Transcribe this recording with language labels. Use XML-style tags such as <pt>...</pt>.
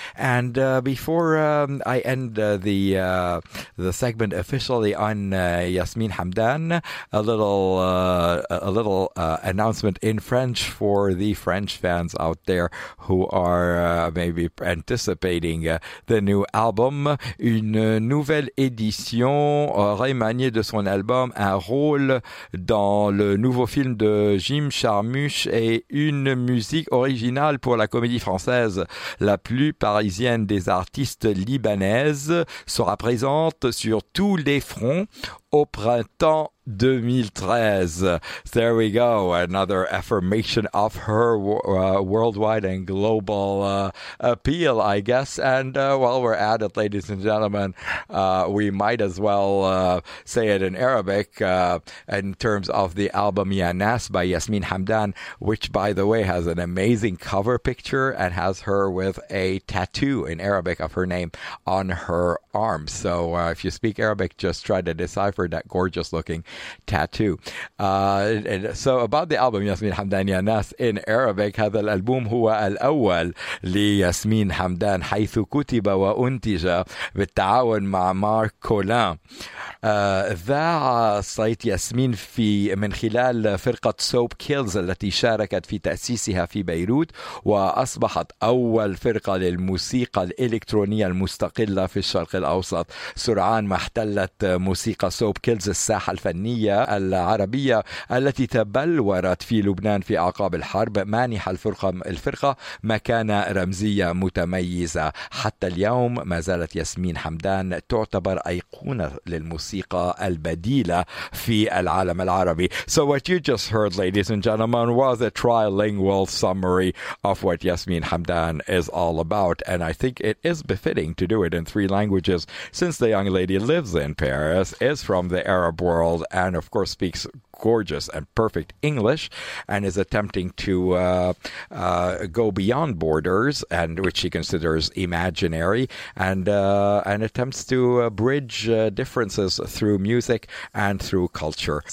<en>And before I end the segment officially on Yasmine Hamdan, a little announcement in French for the French fans out there who are maybe anticipating the new album.</en> <fr>Une nouvelle édition remaniée de son album, un rôle dans le nouveau film de Jim Jarmusch et une musique originale pour la comédie française La plus parisienne des artistes libanaises sera présente sur tous les fronts au printemps 2013.</fr> <en>There we go. Another affirmation of her worldwide and global appeal, I guess. And while we're at it, ladies and gentlemen, we might as well say it in Arabic in terms of the album Yanas by Yasmine Hamdan, which, by the way, has an amazing cover picture and has her with a tattoo in Arabic of her name on her arm. So if you speak Arabic, just try to decipher that gorgeous looking tattoo. So about the album Yasmine Hamdan Yanas in Arabic,</en> <ar>هذا الألبوم هو الأول لياسمين حمدان حيث كتب وأنتج بالتعاون مع مارك كولان. ذاع صيت ياسمين في من خلال فرقة Soapkills التي شاركت في تأسيسها في بيروت وأصبحت أول فرقة للموسيقى الإلكترونية المستقلة في الشرق الأوسط. سرعان ما احتلت موسيقى Soapkills الساحة الفنية العربية التي تبلورت في لبنان في أعقاب الحرب، مانح الفرقة مكانة رمزية متميزة. حتى اليوم ما زالت ياسمين حمدان تعتبر أيقونة للموسيقى البديلة في العالم العربي.</ar> <en>So what you just heard, ladies and gentlemen, was a trilingual summary of what Yasmine Hamdan is all about. And I think it is befitting to do it in three languages, since the young lady lives in Paris, is from the Arab world, and of course speaks gorgeous and perfect English, and is attempting to go beyond borders, and which she considers imaginary, and attempts to bridge differences through music and through culture.</en>